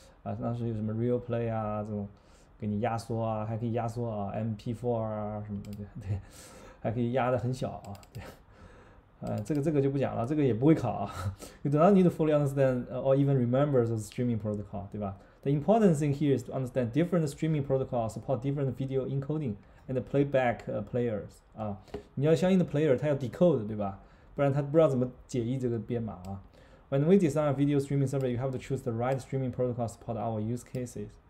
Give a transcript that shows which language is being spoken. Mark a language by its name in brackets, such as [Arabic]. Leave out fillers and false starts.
[Chinese] 啊，当时有什么 real play 啊，这种给你压缩啊，还可以压缩啊，MP4 啊什么的，对，还可以压得很小啊，对，这个就不讲了，这个也不会考啊。 [English] You do not need to fully understand or even remember the streaming protocol， [Chinese] 对吧？ [English] The important thing here is to understand different streaming protocols support different video encoding and playback players [Chinese] 啊，你要相应的 player，它要 decode，对吧？不然它不知道怎么解译这个编码啊。 [English] When we design a video streaming server, you have to choose the right streaming protocol to support our use cases.